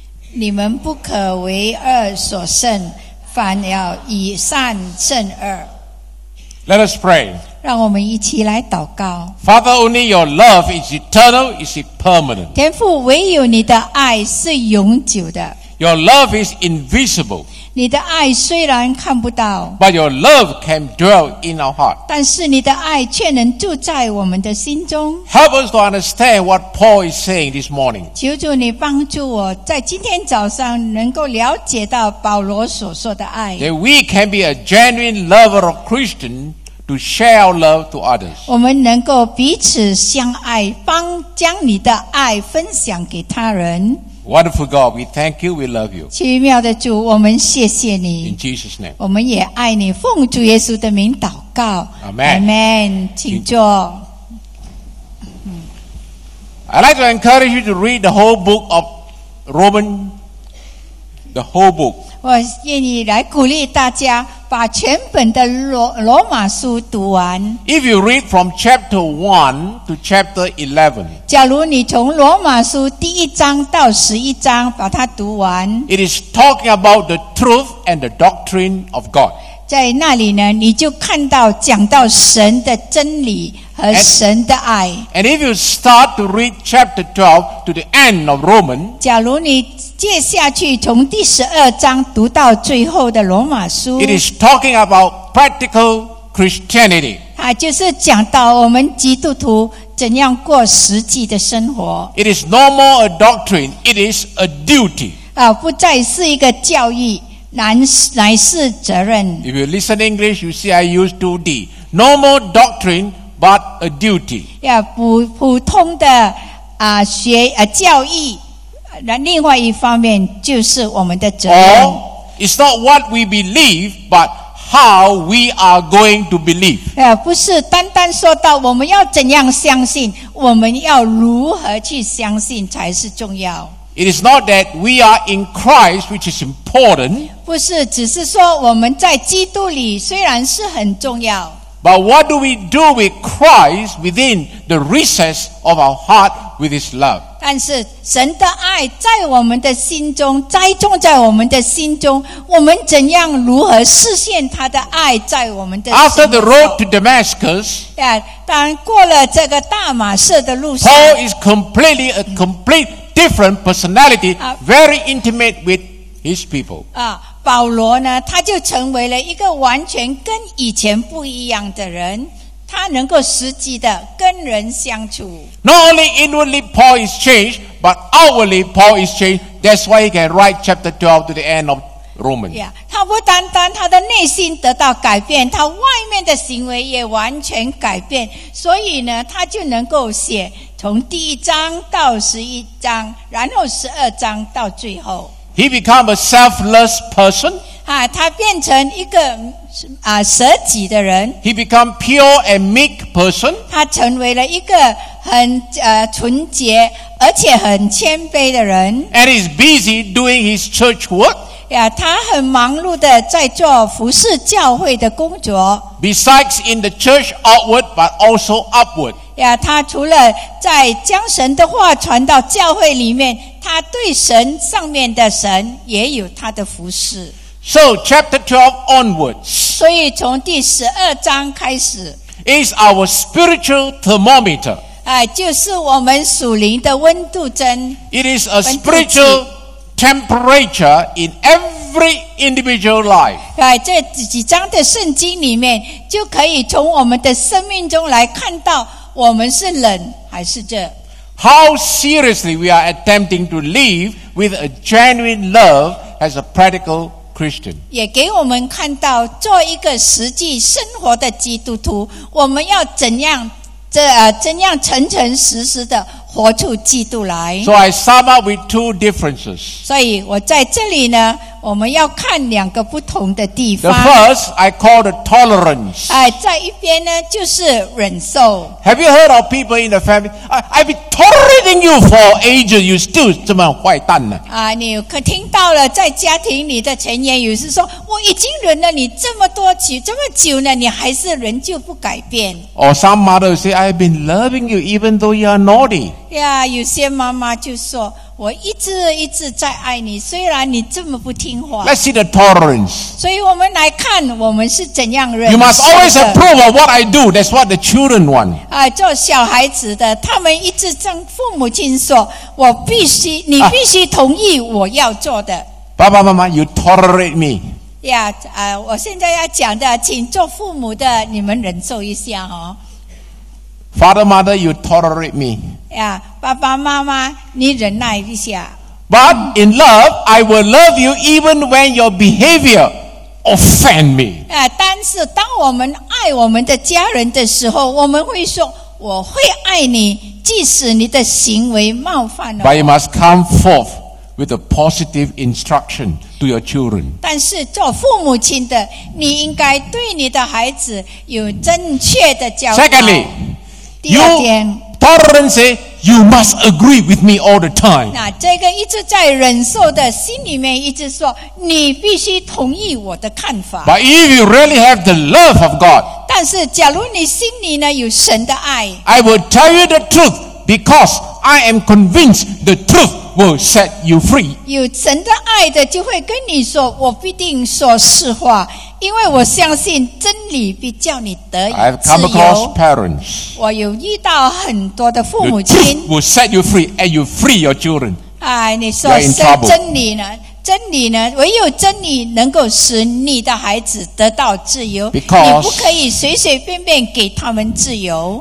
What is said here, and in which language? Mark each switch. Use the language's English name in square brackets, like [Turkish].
[Chinese] 你们不可为恶所胜，反要以善胜恶。 [English] Let us pray. [Chinese] 让我们一起来祷告。 [English] Father, only your love is eternal, is it permanent? [Chinese] 天父，唯有你的爱是永久的。 [English] Your love is invisible. [Chinese] 你的爱虽然看不到。 [English] But your love can dwell in our heart. [Chinese] 但是你的爱却能住在我们的心中。 [English] Help us to understand what Paul is saying this morning. [Chinese] 求主你帮助我在今天早上能够了解到保罗所说的爱。 [English] That we can be a genuine lover of Christian to share our love to others. [Chinese] 我们能够彼此相爱，帮将你的爱分享给他人。 [English] Wonderful God, we thank you, we love you. [Chinese] 奇妙的主，我们谢谢你。 [English] In Jesus' name. [Chinese] 我们也爱你，奉主耶稣的名祷告。 [English] Amen. [Chinese] Amen. 请坐。 [English] I'd like to encourage you to read the whole book of Romans. The whole book. [Chinese] 我愿意来鼓励大家把全本的罗马书读完。 [English] If you read from chapter 1 to chapter 11, [Chinese] 假如你从罗马书第一章到十一章把它读完， [English] It is talking about the truth and the doctrine of God. [Chinese] 在那里呢，你就看到讲到神的真理和神的爱。 [English] And if you start to read chapter 12 to the end of Roman, [Chinese] 假如你接下去从第十二章读到最后的罗马书， [English] It is talking about practical Christianity. [Chinese] 它就是讲到我们基督徒怎样过实际的生活。 [English] It is no more a doctrine, it is a duty. [Chinese] 不再是一个教义，乃是责任。 [English] If you listen English, you see I use 2D. No more doctrine, but a duty. [Chinese] 普通的教义，另外一方面就是我们的责任。 [English] It's not what we believe, but how we are going to believe. [Chinese] 不是单单说到我们要怎样相信，我们要如何去相信才是重要。 [English] It is not that we are in Christ, which is important. [Chinese] 不是只是说我们在基督里虽然是很重要。 [English] But what do we do with Christ within the recess of our heart with His love? [Chinese] 但是神的爱在我们的心中，栽种在我们的心中，我们怎样如何实现他的爱在我们的心中？ [English] After the road to Damascus, [Chinese] 当过了这个大马士的路上， [English] Paul is completely a complete different personality, very intimate with his people. [Chinese] 啊，保罗呢，他就成为了一个完全跟以前不一样的人。他能够实际的跟人相处。 [English] Not only inwardly Paul is changed, but outwardly Paul is changed. That's why he can write chapter 12 to the end of Romans. [Chinese] Yeah, 他不单单他的内心得到改变，他外面的行为也完全改变。所以呢，他就能够写从第一章到十一章，然后十二章到最后。 [English] He become a selfless person. [Chinese] 啊，他变成一个啊，舍己的人。 [English] He become pure and meek person. [Chinese] 他成为了一个很纯洁而且很谦卑的人。 [English] And he's busy doing his church work. [Chinese] 呀，他很忙碌的在做服侍教会的工作。 [English] Besides in the church outward, but also upward. [Chinese] 呀，他除了在将神的话传到教会里面，他对神上面的神也有他的服侍。 [English] So chapter 12 onwards. [Chinese] 所以从第十二章开始 [English] is our spiritual thermometer. [Chinese] 就是我们属灵的温度针。 [English] It is a spiritual temperature in every individual life. [Chinese] 这几章的圣经里面就可以从我们的生命中来看到我们是冷还是热。 [English] How seriously we are attempting to live with a genuine love as a practical Christian. [Chinese] 也给我们看到做一个实际生活的基督徒，我们要怎样诚诚实实的活出基督来。 [English] So I sum up with two differences. [Chinese] 所以我在这里呢，我们要看两个不同的地方。 [English] The first I call the tolerance. [Chinese] 在一边呢就是忍受。 [English] Have you heard of people in the family? I've been tolerating you for ages. You still [Chinese] 这么坏蛋呢？你可听到了，在家庭里的成年有时说，我已经忍了你这么久呢，你还是仍旧不改变。 [English] Or some mother say, I've been loving you even though you are naughty. [Chinese] Yeah, 有些妈妈就说，我一直一直在爱你，虽然你这么不听话。 [English] Let's see the tolerance. [Chinese] 所以我们来看我们是怎样忍受的。 [English] You must always approve of what I do. That's what the children want. [Chinese] 做小孩子的，他们一直跟父母亲说，你必须同意我要做的。爸爸妈妈 [English] ，you tolerate me. [Chinese] Yeah, 我现在要讲的，请做父母的，你们忍受一下哦。 [English] Father, mother, you tolerate me. [Chinese] Yeah, 爸爸妈妈，你忍耐一下。 [English] But in love, I will love you even when your behavior offend me. [Chinese] 但是当我们爱我们的家人的时候，我们会说，我会爱你，即使你的行为冒犯了。 [English] But you must come forth with a positive instruction to your children. [Chinese] 但是做父母亲的，你应该对你的孩子有正确的教导。 [English] Secondly,You tolerance say you must agree with me all the time. [Chinese] 那这个一直在忍受的心里面一直说，你必须同意我的看法。 [English] But if you really have the love of God, [Chinese] 但是假如你心里呢有神的爱 [English] ，I will tell you the truth because I am convinced the truth will set you free. [Chinese] 有神的爱的就会跟你说，我必定说实话。因为我相信真理必叫你得以自由。 [English] I've come across parents. [Chinese] 我有遇到很多的父母亲。 [English] The truth will set you free, and you free your children. [Chinese] 你说是真理呢？真理呢？唯有真理能够使你的孩子得到自由。 [English] Because [Chinese] 你不可以随随便便给他们自由。